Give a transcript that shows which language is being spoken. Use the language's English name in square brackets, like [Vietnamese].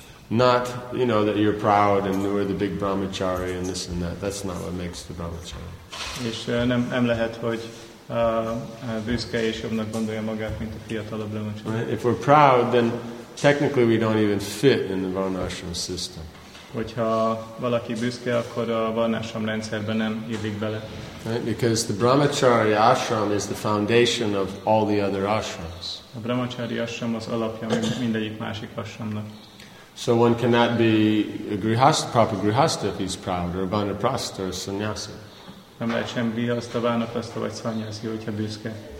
[English] Not, you know, that you're proud and you're the big Brahmachari and this and that. That's not what makes the Brahmachari. [Hungarian] És nem lehet, hogy büszke és jobbnak gondolja magát, mint a fiatalabb Brahmachari. [English] If we're proud, then technically we don't even fit in the Varnashram system. [Hungarian] Hogyha valaki büszke, akkor a Varnashram rendszerben nem illik bele. [English] Right? Because the Brahmachari ashram is the foundation of all the other ashrams. [Hungarian] A Brahmachari ashram az alapja mindegyik másik ashramnak. [English] So one cannot be a proper grihastha if he's proud, or a vanaprastha or a sannyasi. [Hungarian] Nem lehet sem grihastha, vanaprastha vagy sannyasi, hogyha büszke.